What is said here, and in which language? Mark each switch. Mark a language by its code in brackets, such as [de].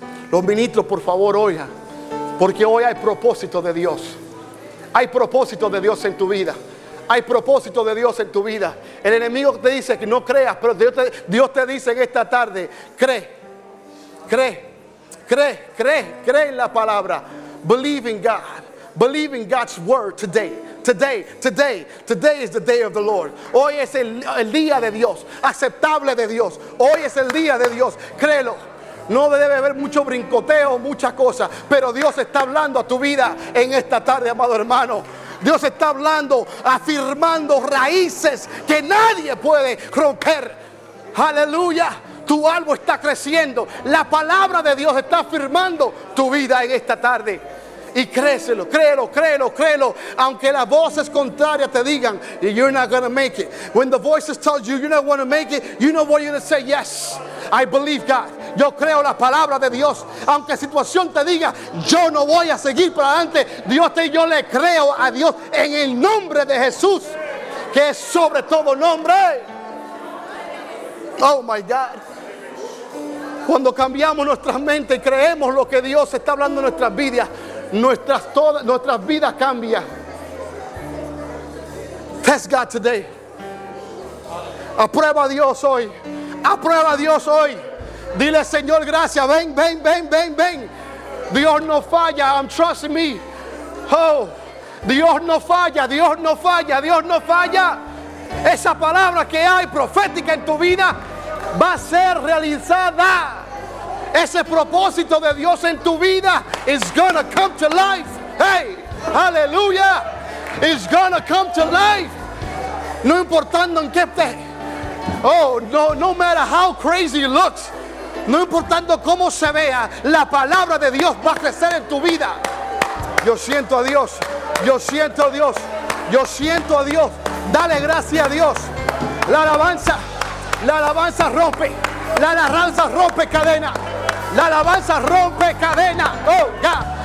[es] Los ministros, por favor, oigan, porque hoy hay propósito de Dios. Hay propósito de Dios en tu vida. Hay propósito de Dios en tu vida. El enemigo te dice que no creas, pero Dios te dice en esta tarde: cree, cree, cree, cree, cree en la palabra. [en] Believe in God. Believe in God's word today. Today, today, today is the day of the Lord. [es] Hoy es el día de Dios, aceptable de Dios. Hoy es el día de Dios. Créelo. No debe haber mucho brincoteo, muchas cosas. Pero Dios está hablando a tu vida en esta tarde, amado hermano. Dios está hablando, afirmando raíces que nadie puede romper. Aleluya. Tu árbol está creciendo. La palabra de Dios está afirmando tu vida en esta tarde. Y créelo, créelo, créelo, créelo. Aunque las voces contrarias te digan, [en] you're not going to make it. When the voices tell you, you're not going to make it, you know what you're going to say, yes, I believe God. [es] Yo creo la palabra de Dios. Aunque situación te diga, yo no voy a seguir para adelante. Dios te dice, yo le creo a Dios en el nombre de Jesús, que es sobre todo nombre. [en] Oh my God. [es] Cuando cambiamos nuestras mentes y creemos lo que Dios está hablando en nuestras vidas, nuestras vidas cambian. [en] Test God today. [es] Aprueba a Dios hoy. Aprueba a Dios hoy. Dile, Señor, gracias. Ven, ven, ven, ven, ven. Dios no falla. [en] I'm trusting me. [es] Oh, Dios no falla. Dios no falla. Dios no falla. Esa palabra que hay profética en tu vida va a ser realizada. Ese propósito de Dios en tu vida [en] is gonna come to life. Hey, hallelujah. It's gonna come to life. [es] No importando en qué te. [en] Oh, no, no matter how crazy it looks. [es] No importando cómo se vea, la palabra de Dios va a crecer en tu vida. Yo siento a Dios. Yo siento a Dios. Yo siento a Dios. Dale gracias a Dios. La alabanza rompe. La alabanza rompe cadena. La alabanza rompe cadena. [en] Oh God.